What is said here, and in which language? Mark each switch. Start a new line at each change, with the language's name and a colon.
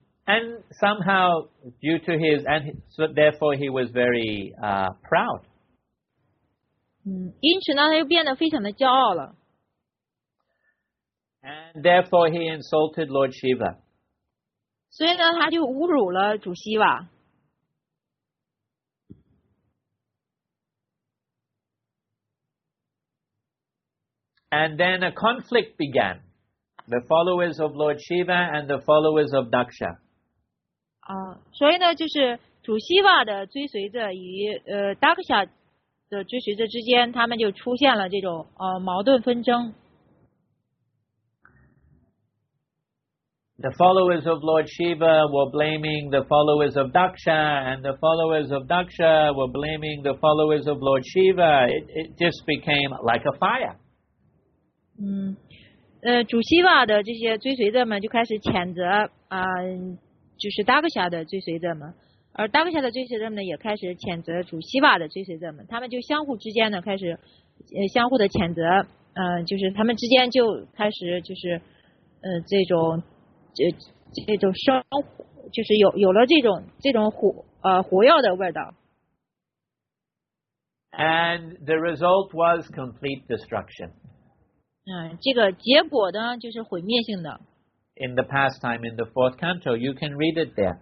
English: And somehow due to his, and so therefore he was very proud.
Chinese: 因此呢，他又变得非常的骄傲了。
English: And therefore he insulted Lord Shiva.
Chinese: 所以呢，他就侮辱了主希瓦。
English: And then a conflict began. The followers of Lord Shiva and the followers of Daksha.
Chinese: 所以呢，就是主希瓦的追随者与达克夏的追随者之间，他们就出现了这种矛盾纷争。
English: The followers of Lord Shiva were blaming the followers of Daksha, and the followers of Daksha were blaming the followers of Lord Shiva. It just became like a fire.
Chinese: 主希瓦的这些追随者们就开始谴责就是达克夏的追随者们，而达克夏的追随者们呢也开始谴责主希瓦的追随者们，他们就相互之间呢开始相互的谴责，就是他们之间就开始就是这种。这种生火，就是有了这种火药的味道。
English: And the result was complete destruction.
Chinese: 这个结果呢，就是毁灭性的。
English: In the pastime, in the fourth canto, you can read it there.